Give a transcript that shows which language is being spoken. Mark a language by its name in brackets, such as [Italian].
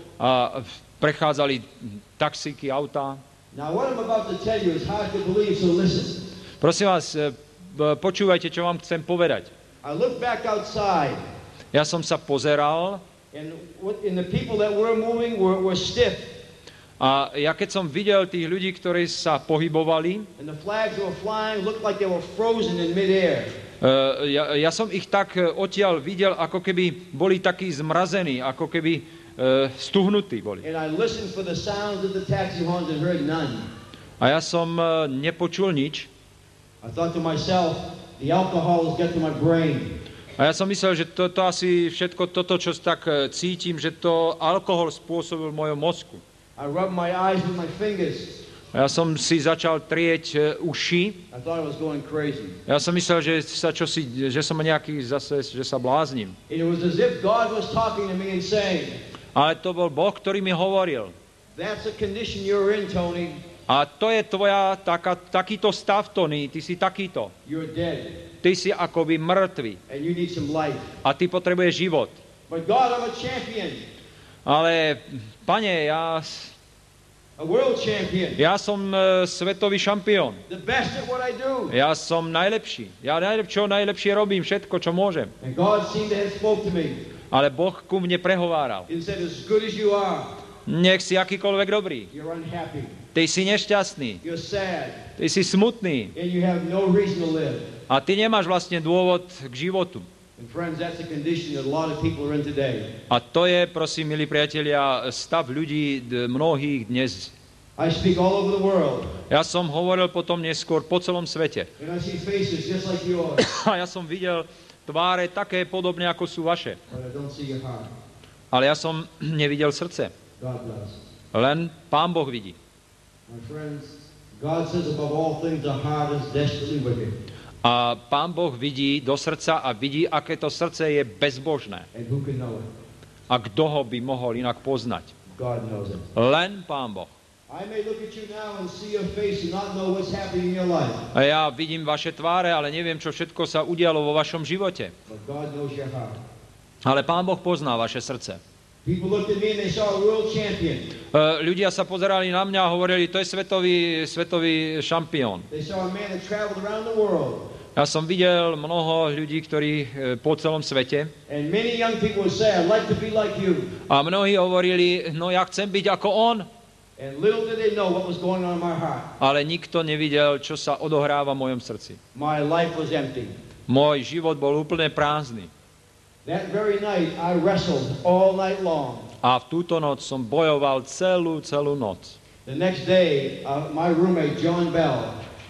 [Slovak] A prechádzali taxíky, autá. [English] Now what I'm about to tell you is hard to believe, so listen. [Slovak] Prosím vás, počúvajte, čo vám chcem povedať. [English] I looked back outside. [Slovak] Ja som sa pozeral. [English] And the people that were moving were stiff. [Slovak] A ja keď som videl tých ľudí, ktorí sa pohybovali, [English] and the flags were flying, looked like they were frozen in midair. [Slovak] Ja som ich tak odtiaľ videl, ako keby boli takí zmrazení, ako keby stuhnutí boli. [English] And I listened for the sounds of the taxi horns and heard none. [Slovak] A ja som nepočul nič. [English] I thought to myself, the alcohol has got to my brain. [Slovak] A ja som myslel, že to asi všetko toto, čo tak cítim, že to alkohol spôsobil mojom mozku. [English] I rubbed my eyes with my fingers. [Slovak] A ja som si začal trieť uši. [English] I thought I was going crazy. [Slovak] Ja som myslel, že sa čosi, že som nejaký zase, že sa blázním. [English] It was as if God was talking to me and saying, [Slovak] ale to bol Boh, ktorý mi hovoril. [English] That's a condition you're in, Tony. [Slovak] A to je tvoja takýto stav, Tony, ty si takýto. [English] You're dead. [Slovak] Ty si akoby mŕtvy. [English] And you need some life. [Slovak] A ty potrebuješ život. [English] But God, I'm a champion. [Slovak] Ale, pane, ja... [English] A world champion. [Slovak] Ja som svetový šampión. [English] The best at what I do. [Slovak] Ja som najlepší. Ja najlepšie robím všetko, čo môžem. [English] And God seemed to have spoke to me. [Slovak] Ale Boh ku mne prehováral. [English] He said, as good as you are. [Slovak] Nech si akýkoľvek dobrý. [English] You're unhappy. [Slovak] Ty si nešťastný. [English] You're sad. [Slovak] Ty si smutný. [English] And you have no reason to live. [Slovak] A ty nemáš vlastne dôvod k životu. [English] And friends, that's a condition that a lot of people are in today. [Slovak] A to je, prosím, milí priatelia, stav ľudí mnohých dnes. [English] I speak all over the world. [Slovak] Ja som hovoril potom neskôr po celom svete. [English] And I see faces just like yours. [Slovak] A ja som videl tváre také podobne, ako sú vaše. [English] But I don't see your heart. [Slovak] Ale ja som nevidel srdce. [English] God bless. [Slovak] Len Pán Boh vidí. [English] My friends, God says above all things the heart is desperately wicked. [Slovak] A Pán Boh vidí do srdca a vidí, aké to srdce je bezbožné. [English] And who can know it? [Slovak] A kto ho by mohol inak poznať? [English] God knows it. [Slovak] Len Pán Boh. [English] I may look at you now and see your face and not know what's happening in your life. [Slovak] A ja vidím vaše tváre, ale neviem, čo všetko sa udialo vo vašom živote. [English] But God knows your heart. [Slovak] Ale Pán Boh pozná vaše srdce. [English] People looked at me and they saw a world champion. [Slovak] Ľudia sa pozerali na mňa a hovorili, to je svetový šampión. [English] They saw a man that traveled around the world. [Slovak] Ja som videl mnoho ľudí, ktorí po celom svete. [English] And many young people would say, I'd like to be like you. [Slovak] A mnohí hovorili, no ja chcem byť ako on. [English] And little did they know what was going on in my heart. [Slovak] Ale nikto nevidel, čo sa odohráva v mojom srdci. [English] My life was empty. [Slovak] Môj život bol úplne prázdny. [English] That very night I wrestled all night long. [Slovak] A v túto noc som bojoval celú noc. [English] The next day, my roommate John Bell.